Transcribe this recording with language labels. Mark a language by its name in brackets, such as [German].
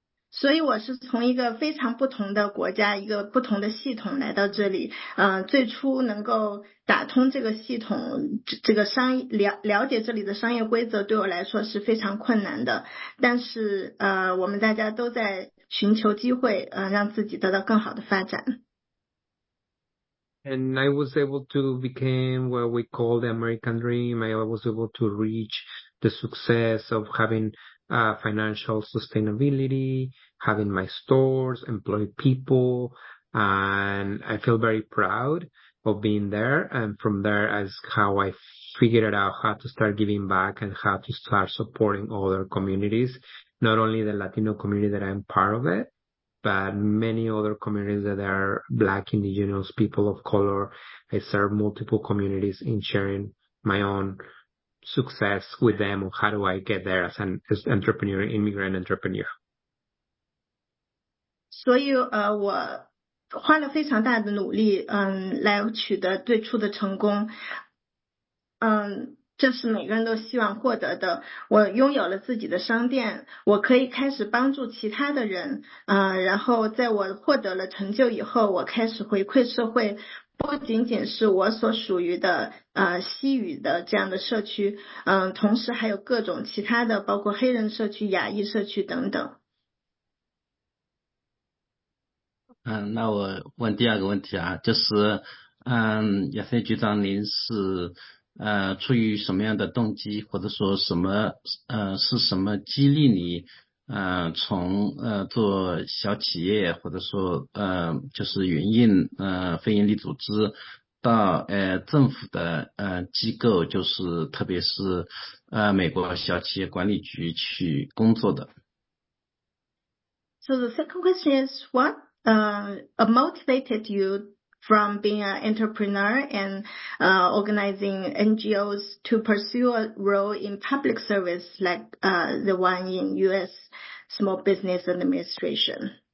[Chinese] 所以我是从一个非常不同的国家，一个不同的系统来到这里。最初能够打通这个系统，这个商业了解这里的商业规则，对我来说是非常困难的。但是我们大家都在寻求机会，让自己得到更好的发展。 [English] And I was able to become what we call the American dream. I was able to reach the success of having financial sustainability, having my stores, employ people, and I feel very proud of being there. And from there is how I figured out how to start giving back and how to start supporting other communities, not only the Latino community that I'm part of it, but many other communities that are Black, Indigenous, people of color. I serve multiple communities in sharing my own success with them, or how do I get there as an entrepreneur, immigrant entrepreneur. [Chinese] 所以我花了非常大的努力来取得最初的成功。这是每个人都希望获得的。我拥有了自己的商店，我可以开始帮助其他的人。然后在我获得了成就以后，我开始回馈社会，不仅仅是我所属于的西语的这样的社区，同时还有各种其他的，包括黑人社区、亚裔社区等等。那我问第二个问题啊，就是亚瑟局长，您是出于什么样的动机，或者说什么是什么激励你从做小企业，或者说就是营运非营利组织，到政府的机构，就是特别是美国小企业管理局去工作的。 [English] So the second question is what motivated you from being an entrepreneur and organizing NGOs to pursue a role in public service like the one in U.S. Small Business Administration?